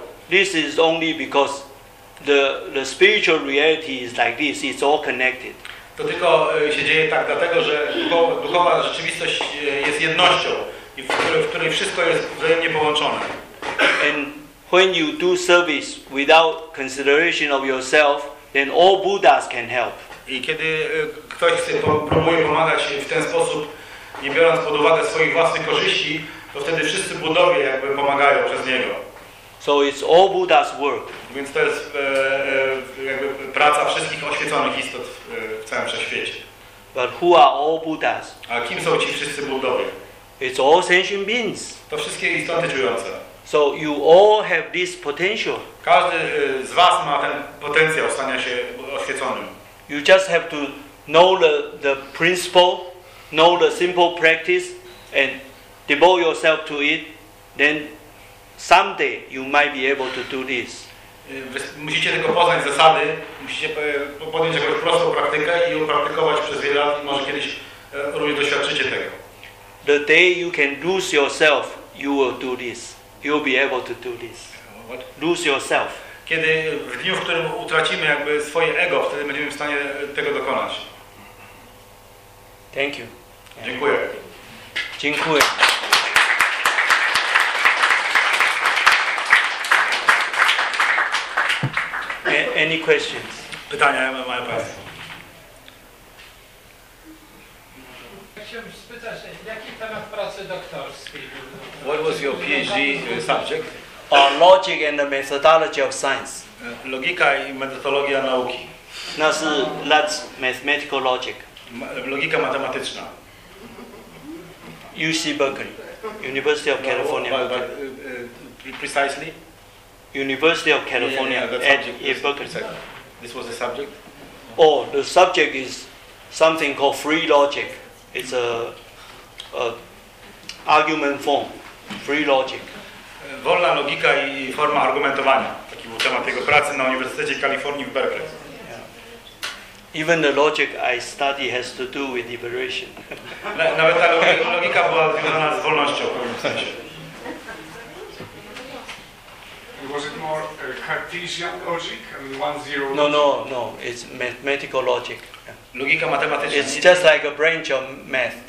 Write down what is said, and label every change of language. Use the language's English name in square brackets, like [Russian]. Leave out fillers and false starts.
[English] This is only because the spiritual reality is like this. It's all connected. [Polish] To tylko się dzieje tak dlatego, że duchowa rzeczywistość jest jednością, w której wszystko jest wzajemnie połączone. [English] And when you do service without consideration of yourself, then all Buddhas can help. [Polish] I kiedy ktoś chce próbuje pomagać w ten sposób, nie biorąc pod uwagę swoich własnych korzyści, to wtedy wszyscy Budowie jakby pomagają przez niego. [English] So it's all Buddha's work. [Polish] Więc to jest jakby praca wszystkich oświeconych istot w całym wszechświecie. [English] But who are all Buddhas? [Polish] A kim są ci wszyscy Budowie? [English] It's all sentient beings. [Polish] To wszystkie istoty żyjące. [English] So you all have this potential. [Polish] Każdy z was ma ten potencjał stania się oświeconym. [English] You just have to know the principle, know the simple practice, and devote yourself to it. Then someday you might be able to do this. [Polish] Musicie tylko poznać zasady, musicie podjąć jakąś prostą praktykę i ją praktykować przez wiele lat, może kiedyś również doświadczycie tego. [English] The day you can lose yourself, you will do this. You'll be able to do this. What? Lose yourself. [Polish] Kiedy w dniu, w którym utracimy jakby swoje ego, wtedy będziemy w stanie tego dokonać. [English] Thank you. [Polish] Dziękuję. Dziękuję. [English] Any questions? [Polish] Pytania mają Państwo. Chciałbym spytać, jaki temat pracy doktorskiej? [English] What was your PhD subject? Logic and the methodology of science. [Polish] Logika i metodologia nauki. [English] That's mathematical logic. [Polish] Logika matematyczna. [English] UC Berkeley, University of California. Precisely? University of California at Berkeley. This was the subject? Oh, the subject is something called free logic. It's a argument form, free logic. [Polish] Wolna logika i forma argumentowania. Taki był temat jego pracy na Uniwersytecie Kalifornii w Berkeley. [English] Yeah. Even the logic I study has to do with liberation. [Polish] Nawet ta logika była związana z wolnością w pewnym sensie. [English] Was it more Cartesian logic? I mean, 1-0? No. It's mathematical logic. [Polish] Logika matematyczna. [English] It's just like a branch of math.